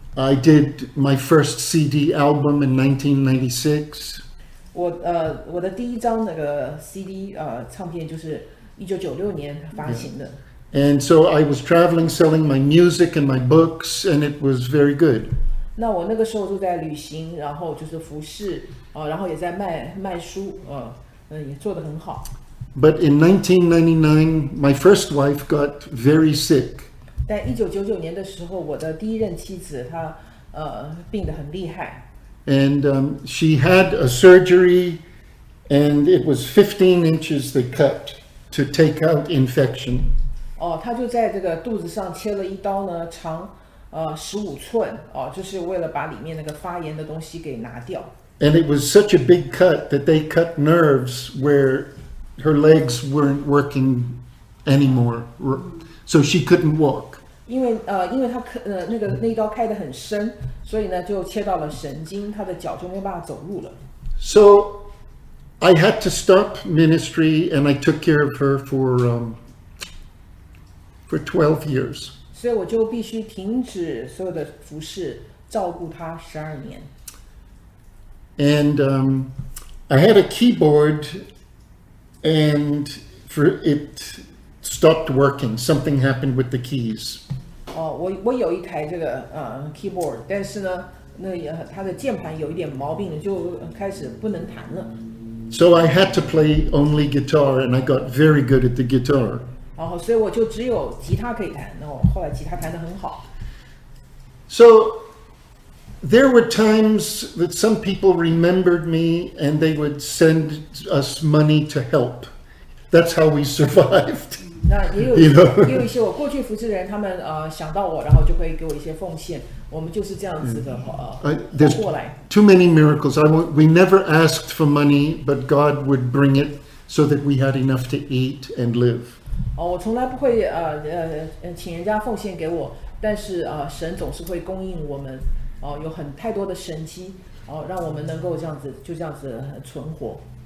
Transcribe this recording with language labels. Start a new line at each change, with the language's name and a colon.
English: I did my first CD album in 1996.
Chinese: 我的第一张那个 CD 唱片就是1996年发行的。 Yeah.
English: And so I was traveling, selling my music and my books, and it was very good.
Chinese: 那我那个时候就在旅行，然后就是服侍，然后也在卖书，也做得很好。
English: But in 1999, my first wife got very sick.
Chinese: 但1999年的时候，我的第一任妻子她病得很厉害。
English: And she had a surgery, and it was 15 inches they cut. to take out infection.
Chinese: 哦，他就在这个肚子上切了一刀呢，长15寸，哦，就是为了把里面那个发炎的东西给拿掉。
English: And it was such a big cut that they cut nerves where her legs weren't working anymore, so she couldn't walk.
Chinese: 因为他那个那一刀开得很深，所以呢就切到了神经，他的脚就没办法走路了。
English: So I had to stop ministry, and I took care of her for 12 years.
Chinese: 所以我就必须停止所有的服事，照顾她12年。
English: And I had a keyboard, and for it stopped working. Something happened with the keys.
Chinese: 哦，我有一台这个keyboard, 但是呢，那它的键盘有一点毛病，就开始不能弹了。
English: So I had to play only guitar, and I got very good at the guitar.
Chinese: 然后，所以我就只有吉他可以弹。那我后来吉他弹得很好。
English: So. There were times that some people remembered me, and they would send us money to help. That's how we survived.
Chinese: 那也有
English: you know?
Chinese: 也有一些我过去服侍的人，他们想到我，然后就会给我一些奉献。我们就是这样子的过来。
English: Too many miracles. We never asked for money, but God would bring it so that we had enough to eat and live.
Chinese: 哦，我从来不会请人家奉献给我，但是神总是会供应我们。哦，有很太多的神迹，哦，让我们能够这样子，就这样子存活。